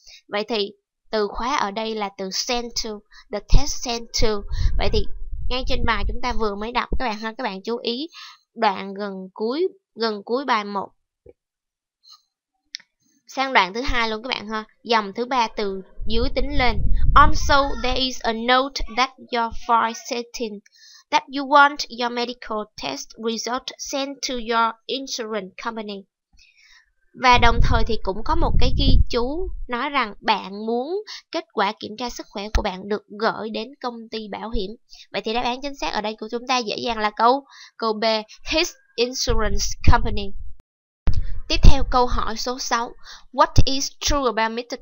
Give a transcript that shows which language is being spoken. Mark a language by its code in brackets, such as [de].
[vi] Vậy thì từ khóa ở đây là từ send to, [en] the test sent to. [vi] Vậy thì ngay trên bài chúng ta vừa mới đọc các bạn ha, các bạn chú ý đoạn gần cuối bài 1. Sang đoạn thứ 2 luôn các bạn ha, dòng thứ 3 từ dưới tính lên. [en] Also, there is a note that your file setting that you want your medical test result sent to your insurance company. [vi] Và đồng thời thì cũng có một cái ghi chú nói rằng bạn muốn kết quả kiểm tra sức khỏe của bạn được gửi đến công ty bảo hiểm. Vậy thì đáp án chính xác ở đây của chúng ta dễ dàng là câu B, [en] his insurance company. [vi] Tiếp theo câu hỏi số 6. [en] What is true about Mr.